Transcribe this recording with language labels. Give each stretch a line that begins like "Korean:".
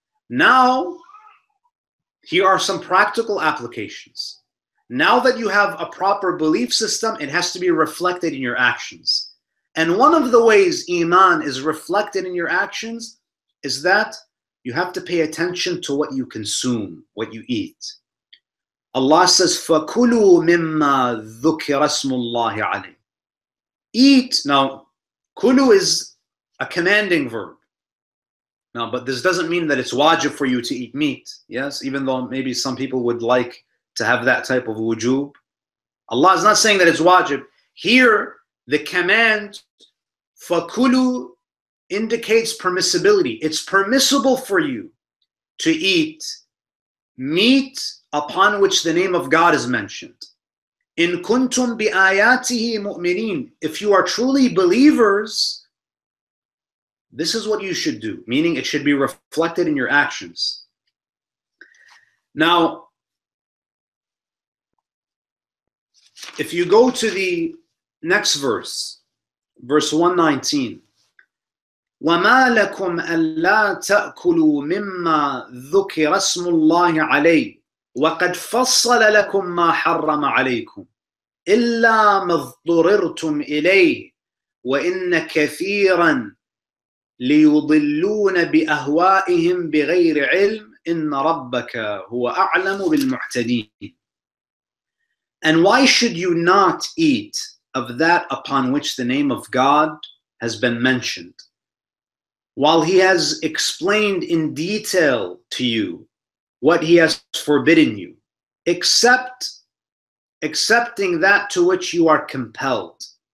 English: Now, here are some practical applications. Now that you have a proper belief system, it has to be reflected in your actions. And one of the ways iman is reflected in your actions is that you have to pay attention to what you consume, what you eat. Allah says,
Arabic: فَكُلُوا مِمَّا ذُكِرَ اسْمُ اللَّهِ عَلَيْهِ.
English: Eat. Now, kulu is a commanding verb. Now, but this doesn't mean that it's wajib for you to eat meat. Yes, even though maybe some people would like to have that type of wujub. Allah is not saying that it's wajib. Here, the command, فَكُلُوا, indicates permissibility. It's permissible for you to eat meat upon which the name of God is mentioned.
Arabic: In kuntum bi ayatihi mu'mineen,
English: if you are truly believers, this is what you should do, meaning it should be reflected in your actions. Now, if you go to the next verse, verse 119,
Arabic: وَمَا لَكُمْ أَلَّا تَأْكُلُوا مِمَّا ذُكِرَ اسْمُ اللَّهِ عَلَيْهِ وَقَدْ فَصَّلَ لَكُمْ مَا حَرَّمَ عَلَيْكُمْ إِلَّا مَا اضْطُرِرْتُمْ إِلَيْهِ وَإِنَّ كَثِيرًا لِيُضِلُّونَ بِأَهْوَائِهِمْ بِغَيْرِ عِلْمٍ إِنَّ رَبَّكَ هُوَ أَعْلَمُ بِالْمُعْتَدِينَ.
English: And why should you not eat of that upon which the name of God has been mentioned? While he has explained in detail to you what he has forbidden you, accepting that to which you are compelled.